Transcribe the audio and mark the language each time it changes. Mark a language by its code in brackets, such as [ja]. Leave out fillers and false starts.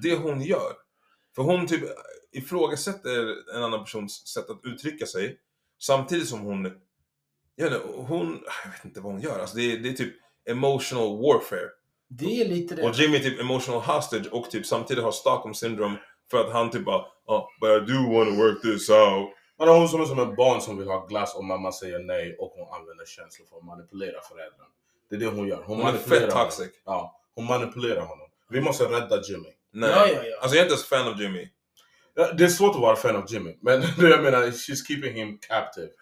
[sv] Det hon gör. För hon typ ifrågasätter en annan persons sätt att uttrycka sig. Samtidigt som hon... jag vet inte vad hon gör. Alltså det är typ [en] emotional warfare. [sv] Det är lite det. Och Jimmy är typ [en] emotional hostage. [sv] Och typ samtidigt har Stockholm syndrome. För att han typ bara... [en] But I do want to work this out. [sv] Men hon som är som ett barn som vill ha glass och mamma säger nej och hon använder känslor för att manipulera föräldrarna. Det är det hon gör. Hon är fett toxic. Ja, hon manipulerar honom. Vi måste rädda Jimmy. Nej, ja. Alltså jag är inte ens fan av Jimmy. Ja, det är svårt att vara fan av Jimmy. Men det jag menar, [en] she's keeping him captive.